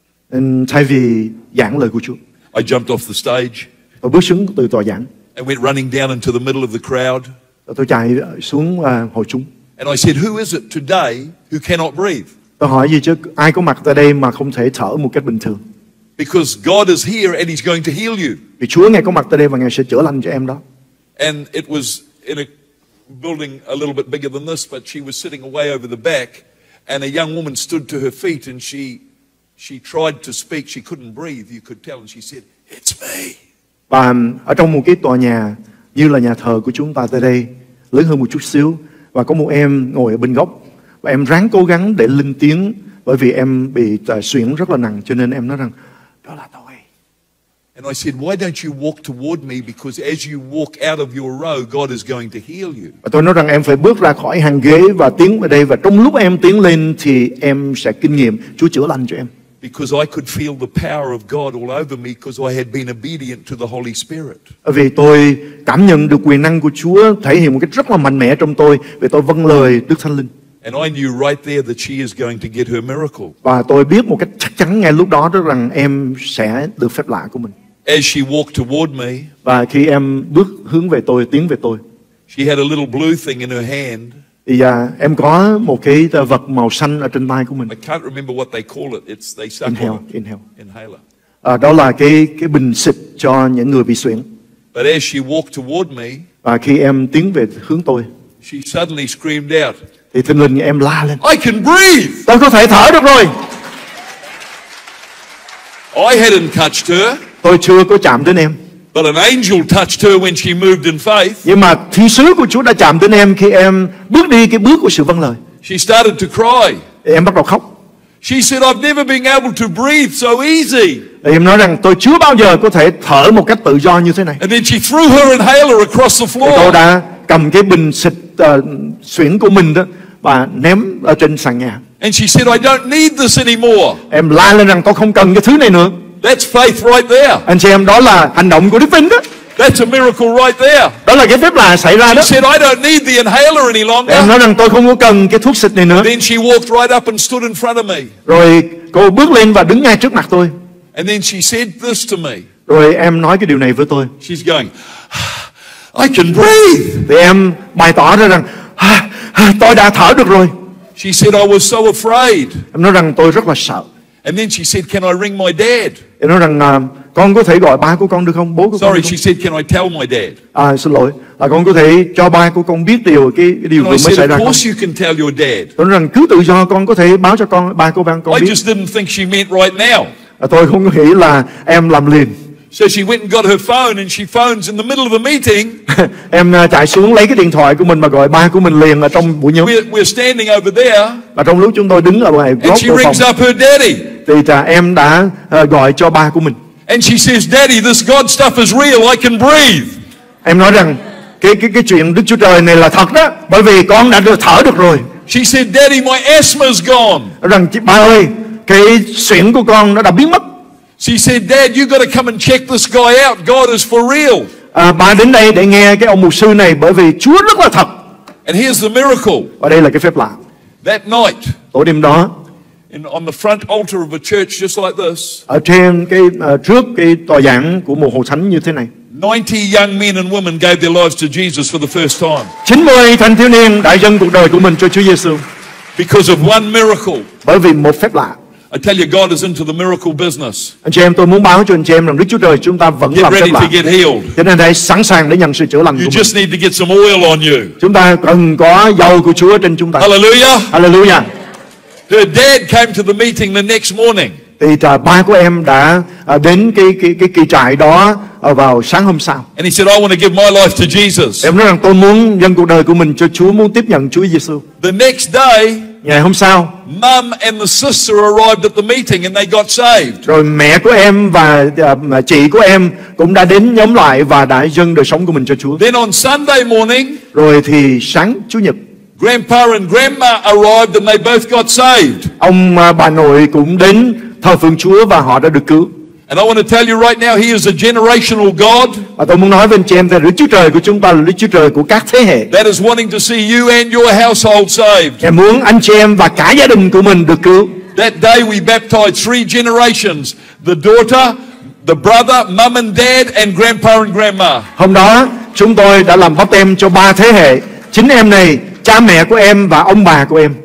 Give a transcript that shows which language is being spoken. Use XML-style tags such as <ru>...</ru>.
<vi>and thay vì giảng lời của Chúa,</vi> <en>I jumped off the stage.</en> <vi>Tôi bước xuống từ tòa giảng.</vi> <en>And went running down into the middle of the crowd.</en> <vi>Tôi chạy xuống hội chúng.</vi> <en>And I said, who is it today who cannot breathe?</en> <vi>Tôi hỏi gì chứ, ai có mặt tại đây mà không thể thở một cách bình thường?</vi> <en>Because God is here and he's going to heal you.</en> <vi>Vì Chúa ngài có mặt tại đây và ngài sẽ chữa lành cho em đó.</vi> <en>And it was in a building a little bit bigger than this, but she was sitting away over the back, and a young woman stood to her feet, and she tried to speak. She couldn't breathe, you could tell, and she said, "It's me."</en> <vi>Và ở trong một cái tòa nhà như là nhà thờ của chúng ta tại đây, lớn hơn một chút xíu, và có một em ngồi ở bên góc, và em ráng cố gắng để lên tiếng, bởi vì em bị suyễn rất là nặng, cho nên em nói rằng, "Đó là tôi."</vi> <en>And I said, "Why don't you walk toward me? Because as you walk out of your row, God is going to heal you."</en> <vi>Và tôi nói rằng em phải bước ra khỏi hàng ghế và tiến vào đây, và trong lúc em tiến lên thì em sẽ kinh nghiệm Chúa chữa lành cho em.</vi> <en>Because I could feel the power of God all over me because I had been obedient to the Holy Spirit.</en> <vi>Vì tôi cảm nhận được quyền năng của Chúa thể hiện một cách rất là mạnh mẽ trong tôi vì tôi vâng lời Đức Thánh Linh.</vi> <en>And I knew right there that she is going to get her miracle.</en> <vi>Và tôi biết một cách chắc chắn ngay lúc đó rằng em sẽ được phép lạ của mình.</vi> <en>As she walked toward me,</en> <vi>và khi em bước hướng về tôi, tiến về tôi,</vi> <en>she had a little blue thing in her hand. Thì em có một cái vật màu xanh ở trên tay của mình. I can't remember what they call it. It's they suck inhaler.</en> <vi>Đó là cái bình xịt cho những người bị suyễn.</vi> <en>But as she walked toward me,</en> <vi>và khi em tiến về hướng tôi,</vi> <en>she suddenly screamed out.</en> <vi>Thì thình lình em la lên.</vi> <en>I can breathe.</en> <vi>Tôi có thể thở được rồi.</vi> <en>I hadn't touched her.</en> <vi>Tôi chưa có chạm đến em.</vi> <en>But an angel touched her when she moved in faith.</en> <vi>Nhưng mà thiên sứ của Chúa đã chạm đến em khi em bước đi cái bước của sự vâng lời.</vi> <en>She started to cry.</en> <vi>Em bắt đầu khóc.</vi> <en>She said, "I've never been able to breathe so easy."</en> <vi>Em nói rằng tôi chưa bao giờ có thể thở một cách tự do như thế này.</vi> <en>And then she threw her inhaler across the floor.</en> <vi>Tôi đã cầm cái bình xịt suyễn của mình đó và ném ở trên sàn nhà.</vi> <en>And she said, "I don't need this anymore."</en> <vi>Em la lên rằng tôi không cần cái thứ này nữa.</vi> <en>That's faith right there.</en> <vi>Anh chị em, đó là hành động của Đức Tin đó.</vi> <en>That's a miracle right there.</en> <vi>Đó là cái phép lạ xảy ra đó.</vi> <en>She said, "I don't need the inhaler any longer."</en> <vi>Em nói rằng tôi không có cần cái thuốc xịt này nữa.</vi> <en>Then she walked right up and stood in front of me.</en> <vi>Rồi cô bước lên và đứng ngay trước mặt tôi.</vi> <en>And then she said this to me.</en> <vi>Rồi em nói cái điều này với tôi.</vi> <en>She's going, "I can breathe."</en> <vi>Thì em bày tỏ ra rằng tôi đã thở được rồi.</vi> <en>She said, "I was so afraid."</en> <vi>Em nói rằng tôi rất là sợ.</vi> <en>And then she said, "Can I ring my dad?"</en> <vi>Em nói rằng con có thể gọi ba của con được không, bố của con?</vi> <en>Sorry, she said, "Can I tell my dad?"</en> <vi>Xin lỗi, là con có thể cho ba của con biết điều cái điều vừa mới xảy ra.</vi> <en>Of course you can tell your dad.</en> <vi>Em nói rằng cứ tự do, con có thể báo cho con ba của con biết.</vi> <en>I just didn't think she meant right now.</en> <vi>Tôi không nghĩ là em làm liền.</vi> <en>So she went and got her phone and she phones in the middle of a meeting.</en> <vi>Em chạy xuống lấy cái điện thoại của mình mà gọi ba của mình liền ở trong buổi nhóm.</vi> <en>We're standing over there.</en> <vi>Và trong lúc chúng tôi đứng ở ngoài góc phòng.</vi> <en>And she rings up her daddy.</en> <vi>Thì em đã gọi cho ba của mình.</vi> <en>And she says, "Daddy, this God stuff is real. I can breathe."</en> <vi>Em nói rằng cái chuyện Đức Chúa Trời này là thật đó, bởi vì con đã được thở được rồi.</vi> <en>She said, "Daddy, my asthma's gone."</en> <vi>Rằng ba ơi, cái suyễn của con nó đã biến mất.</vi> <en>She said, "Dad, you got to come and check this guy out. God is for real."</en> <vi>Ba đến đây để nghe cái ông mục sư này bởi vì Chúa rất là thật.</vi> <en>And here's the miracle.</en> <vi>Và đây là cái phép lạ.</vi> <en>That night.</en> <vi>Tối đêm đó.</vi> <en>And on the front altar of a church just like this.</en> <vi>Ở trên cái trước cái tòa giảng của một hội thánh như thế này.</vi> <en>90 young men and women gave their lives to Jesus for the first time.</en> <vi>90 thanh thiếu niên đã dâng cuộc đời của mình cho Chúa Giêsu.</vi> <en>Because of one miracle.</en> <vi>Bởi vì một phép lạ.</vi> <en>I tell you, God is into the miracle business.</en> <vi>Anh chị em, tôi muốn báo cho anh chị em rằng Đức Chúa Trời chúng ta vẫn làm phép lạ.</vi> <en>Get ready to get healed.</en> <vi>Cho nên hãy sẵn sàng để nhận sự chữa lành của mình.</vi> <en>You just need to get some oil on you.</en> <vi>Chúng ta cần có dầu của Chúa trên chúng ta. Hallelujah. Hallelujah.</vi> <en>Her dad came to the meeting the next morning.</en> <vi>Thì ba của em đã đến cái kỳ trại đó vào sáng hôm sau.</vi> <en>And he said, "I want to give my life to Jesus."</en> <vi>Em nói rằng tôi muốn dâng cuộc đời của mình cho Chúa, muốn tiếp nhận Chúa Giêsu.</vi> <en>The next day.</en> <vi>Ngày hôm sau,</vi> <en>mom and the sister arrived at the meeting and they got saved.</en> <vi>Rồi mẹ của em và chị của em cũng đã đến nhóm lại và đã dâng đời sống của mình cho Chúa.</vi> <en>Then on Sunday morning,</en> <vi>rồi thì sáng Chủ nhật,</vi> <en>grandpa and grandma arrived and they both got saved.</en> <vi>Ông bà nội cũng đến thờ phượng Chúa và họ đã được cứu.</vi> <en>And I want to tell you right now, he is a generational God.</en> <vi>Và tôi muốn nói với anh chị em rằng Đức Chúa Trời của chúng ta là Đức Chúa Trời của các thế hệ.</vi> <en>That is wanting to see you and your household saved.</en> <vi>Em muốn anh chị em và cả gia đình của mình được cứu.</vi> <en>That day we baptized three generations: the daughter, the brother, mum and dad, and grandpa and grandma.</en> <vi>Hôm đó chúng tôi đã làm báp têm cho ba thế hệ, chính em này, cha mẹ của em và ông bà của em.</vi>